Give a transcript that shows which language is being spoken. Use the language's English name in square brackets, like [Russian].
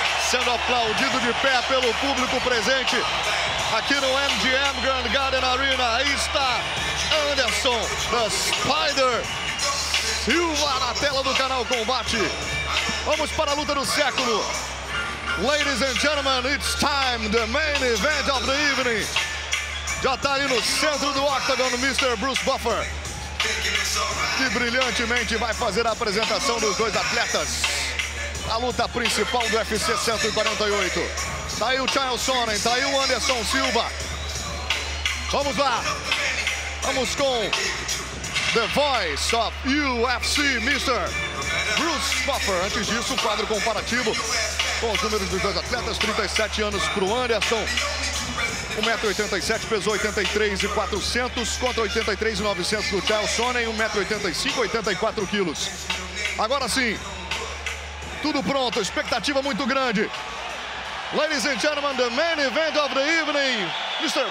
[Portuguese] Sendo aplaudido de pé pelo público presente aqui no MGM Grand Garden Arena. Aí está Anderson, the Spider Silva, na tela do canal Combate. Vamos para a luta do século. [English] Ladies and gentlemen, it's time, the main event of the evening. [Portuguese] Já está ali no centro do octagon, Mr. Bruce Buffer. Que brilhantemente vai fazer a apresentação dos dois atletas. A luta principal do UFC 148. Tá aí o Chael Sonnen, tá aí o Anderson Silva. Vamos lá. Vamos com The Voice of UFC, Mr. Bruce Buffer. Antes disso, quadro comparativo com os números dos dois atletas. 37 anos pro Anderson. 1,87m, pesou 83,400 contra 83,900 do Chael Sonnen, 1,85m, 84kg. Agora sim, tudo pronto, expectativa muito grande. [English] Ladies and gentlemen, the main event of the evening, Mr.